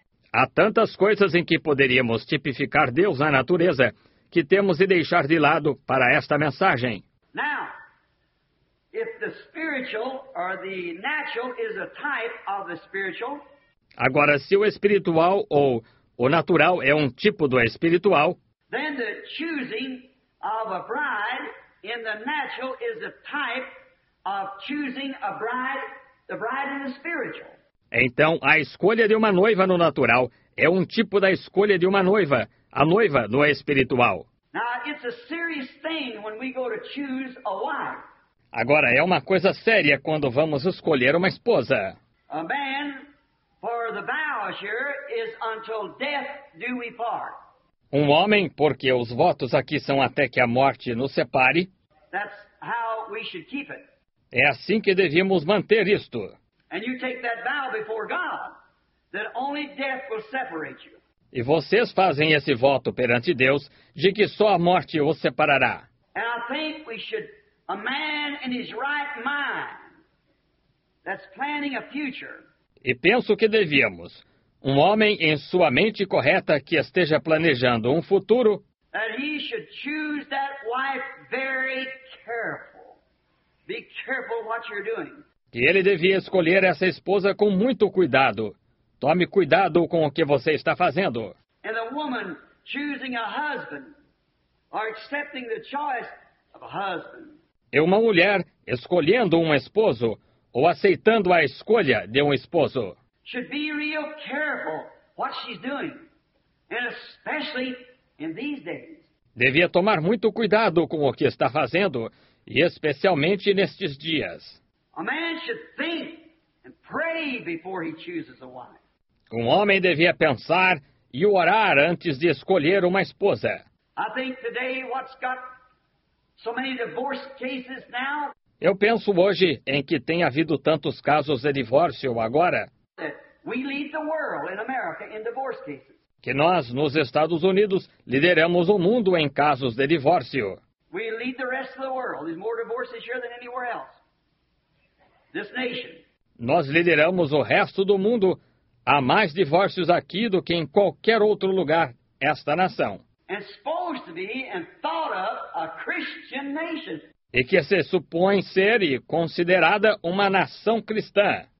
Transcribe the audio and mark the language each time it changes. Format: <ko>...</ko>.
<pt>Há tantas coisas em que poderíamos tipificar Deus na natureza que temos de deixar de lado para esta mensagem.</pt> <en>Now, if the spiritual or the natural is a type of the spiritual,</en> <pt>agora, se o espiritual ou o natural é um tipo do espiritual,</pt> <en>then the choosing of a bride in the natural is a type of choosing a bride, the bride in the spiritual.</en> <pt>Então, a escolha de uma noiva no natural é um tipo da escolha de uma noiva, a noiva no espiritual.</pt> <en>Now, it's a serious thing when we go to choose a wife.</en> <pt>Agora, é uma coisa séria quando vamos escolher uma esposa.</pt> <en>A man for the vows here is until death do we part.</en> <pt>Um homem, porque os votos aqui são até que a morte nos separe.</pt> <en>That's how we should keep it.</en> <pt>É assim que devíamos manter isto.</pt> <en>And you take that vow before God, that only death will separate you.</en> <pt>E vocês fazem esse voto perante Deus de que só a morte os separará.</pt> <en>And I think we should, a man in his right mind, that's planning a future.</en> <pt>E penso que devíamos, um homem em sua mente correta que esteja planejando um futuro,</pt> <en>that he should choose that wife very careful. Be careful what you're doing.</en> <pt>Que ele devia escolher essa esposa com muito cuidado. Tome cuidado com o que você está fazendo.</pt> <en>And a woman choosing a husband or accepting the choice of a husband.</en> <pt>E uma mulher escolhendo um esposo ou aceitando a escolha de um esposo.</pt> <en>Should be real careful what she's doing. And especially in these days.</en> <pt>Devia tomar muito cuidado com o que está fazendo, e especialmente nestes dias.</pt> <en>A man should think and pray before he chooses a wife.</en> <pt>Um homem devia pensar e orar antes de escolher uma esposa.</pt> <en>I think today what's got so many divorce cases now,</en> <pt>eu penso hoje em que tem havido tantos casos de divórcio agora,</pt> <en>we lead the world in America in divorce cases.</en> <pt>Que nós, nos Estados Unidos, lideramos o mundo em casos de divórcio.</pt> <en>We lead the rest of the world. There's more divorces here than anywhere else. This nation.</en> <pt>Nós lideramos o resto do mundo. Há mais divórcios aqui do que em qualquer outro lugar esta nação.</pt> <en>And supposed to be and thought of a Christian nation.</en> <pt>E que se supõe ser e considerada uma nação cristã.</pt>